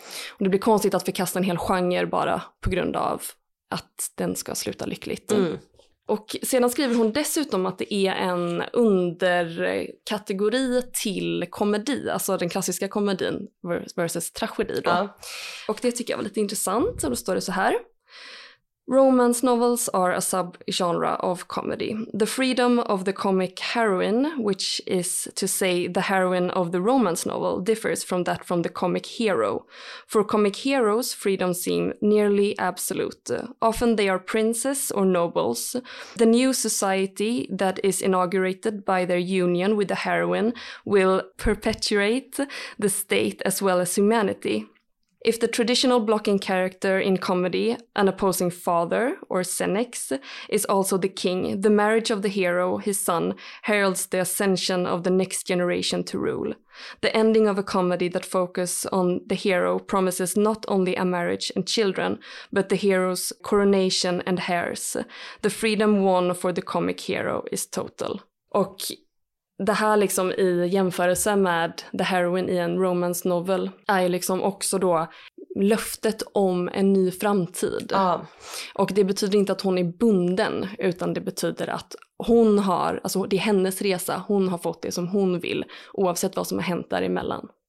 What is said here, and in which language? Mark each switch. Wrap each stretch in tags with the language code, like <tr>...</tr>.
<sv>Och det blir konstigt att förkasta en hel genre bara på grund av att den ska sluta lyckligt. Mm. Och sedan skriver hon dessutom att det är en underkategori till komedi, alltså den klassiska komedin versus tragedi. Då. Ja. Och det tycker jag var lite intressant, och då står det så här.</sv> <en>Romance novels are a sub-genre of comedy. The freedom of the comic heroine, which is to say the heroine of the romance novel, differs from that from the comic hero. For comic heroes, freedom seems nearly absolute. Often they are princes or nobles. The new society that is inaugurated by their union with the heroine will perpetuate the state as well as humanity. If the traditional blocking character in comedy, an opposing father, or Senex, is also the king, the marriage of the hero, his son, heralds the ascension of the next generation to rule. The ending of a comedy that focuses on the hero promises not only a marriage and children, but the hero's coronation and heirs. The freedom won for the comic hero is total.</en> <sv>Och det här liksom i jämförelse med</sv> <en>the heroine</en> <sv>i en romance novel är liksom också då löftet om en ny framtid. Ah. Och det betyder inte att hon är bunden, utan det betyder att hon har, alltså det är hennes resa, hon har fått det som hon vill, oavsett vad som har hänt däremellan.</sv>